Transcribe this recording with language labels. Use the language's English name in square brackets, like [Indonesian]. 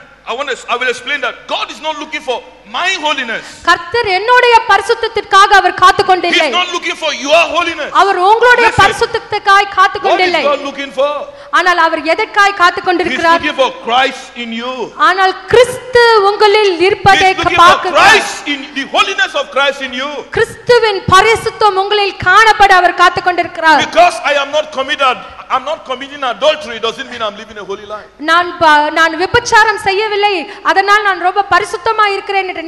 [English] I will explain that God is not looking for my holiness. [Tamil] கர்த்தர் என்னுடைய பரிசுத்தத்திற்காக அவர் காத்துக் கொண்டிருக்கிறார். [English] He is not looking for your holiness. [Tamil] அவர் உங்களுடைய பரிசுத்தத்துக்காய் காத்துக் கொண்டிருக்கிறார். [English] What is God looking for? [Tamil] ஆனால் அவர் எதற்காய் காத்துக் கொண்டிருக்கிறார்? [English] He is looking for Christ in you. [Tamil] ஆனால் கிறிஸ்து உங்களில் இருப்பதை பார்க்கிறார். [English] He is looking for Christ in the holiness of Christ in you. [Tamil] கிறிஸ்துவின் பரிசுத்தம் உங்களில் காணப்பட அவர் காத்துக் கொண்டிருக்கிறார். [English] Because I am not committed I'm not committing adultery doesn't mean I'm living a holy life. [Tamil] நான் விபச்சாரம் செய்யவில்லை அதனால் நான் ரொம்ப பரிசுத்தமா இருக்கிறேன் என்று